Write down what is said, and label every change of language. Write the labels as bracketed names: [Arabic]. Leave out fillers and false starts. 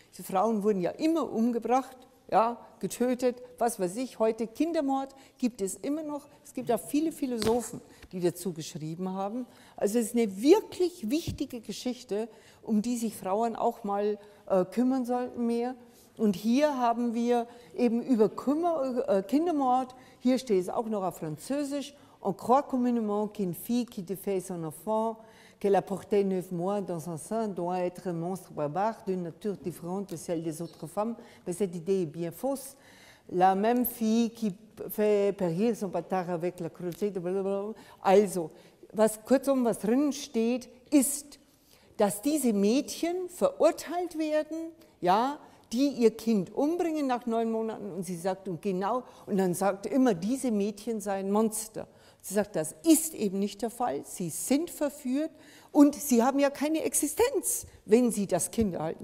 [German] Diese Frauen wurden ja immer umgebracht, ja, getötet, was weiß ich, heute Kindermord gibt es immer noch. Es gibt auch viele Philosophen, die dazu geschrieben haben. Also es ist eine wirklich wichtige Geschichte, um die sich Frauen auch mal kümmern sollten mehr. Und hier haben wir eben über Kindermord, hier steht es auch noch auf Französisch, [French] encore communément qu'une fille qui défait son enfant, qu'elle a porté 9 mois dans un sein, doit être un monstre barbare d'une nature différente de celle des autres femmes. Mais cette idée est bien fausse. La même fille qui fait périr son bâtard avec la cruauté de blablabla. [German] Also, was kurzum, was drin steht, ist, dass diese Mädchen verurteilt werden, ja, die ihr Kind umbringen nach 9 Monaten und sie sagt, und genau, und dann sagt immer, diese Mädchen seien Monster. Sie sagt, das ist eben nicht der Fall, sie sind verführt und sie haben ja keine Existenz, wenn sie das Kind erhalten.